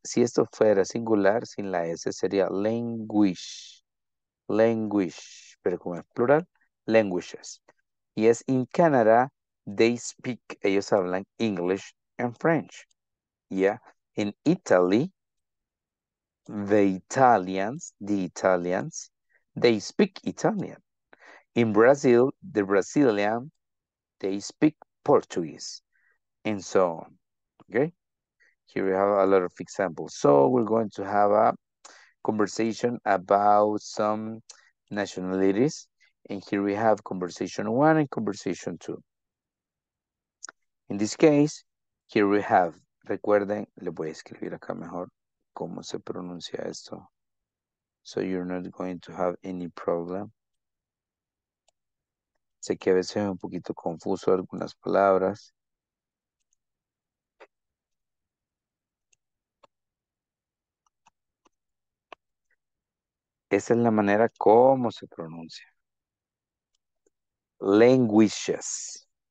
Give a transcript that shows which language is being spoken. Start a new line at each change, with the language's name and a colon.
Spanish: Si esto fuera singular, sin la S, sería language, pero como es plural, languages.
English: Yes, in Canada, they speak,
Spanish: ellos hablan
English: English and French. Yeah, in Italy, the Italians, they speak Italian. In Brazil, the Brazilian, they speak Portuguese, and so on. Okay, here we have a lot of examples. So we're going to have a conversation about some nationalities. And here we have conversation one and conversation two. In this case, here we have,
Spanish: recuerden, le voy a escribir acá mejor cómo se pronuncia esto.
English: So you're not going to have any problem.
Spanish: Sé que a veces es un poquito confuso algunas palabras. Esa es la manera como se pronuncia. Languages.